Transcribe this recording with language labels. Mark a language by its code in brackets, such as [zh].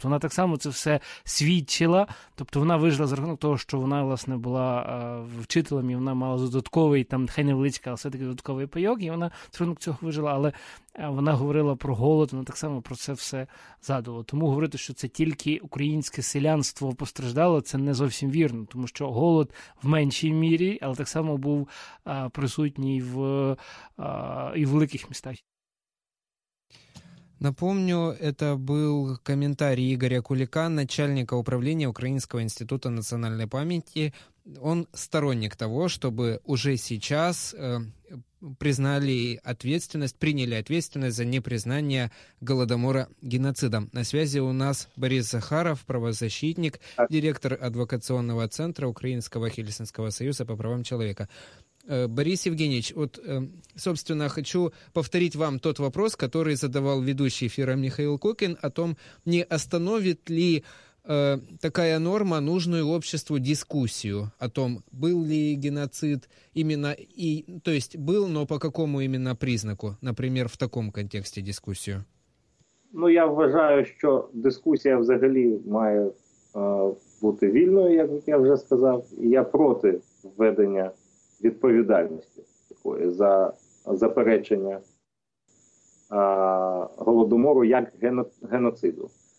[uk] Тобто вона так само це все свідчила, тобто вона вижила за рахунок того, що вона, власне, була вчителем, і вона мала додатковий, там, хай невеличкий, але все-таки додатковий пайок, і вона за рахунок цього вижила, але вона говорила про голод, вона так само про це все задувала. Тому говорити, що це тільки українське селянство постраждало, це не зовсім вірно, тому що голод в меншій мірі, але так само був присутній в великих містах. [ru] Напомню, это был комментарий Игоря Кулика, начальника управления Украинского института национальной памяти. Он сторонник того, чтобы уже сейчас приняли ответственность за непризнание Голодомора геноцидом. На связи у нас Борис Захаров, правозащитник, директор адвокационного центра Украинского Хельсинского союза по правам человека. Борис Евгеньевич, собственно, хочу повторить вам тот вопрос, который задавал ведущий эфира Михаил Кокин, о том, не остановит ли такая норма нужную обществу дискуссию о том, был ли геноцид именно, то есть был, но по какому именно признаку, например, в таком контексте дискуссию? [uk] Ну, я вважаю, что дискуссия взагалі має бути вільною, як я вже сказав, і я проти введення відповідальності такої за заперечення Голодомору як геноциду.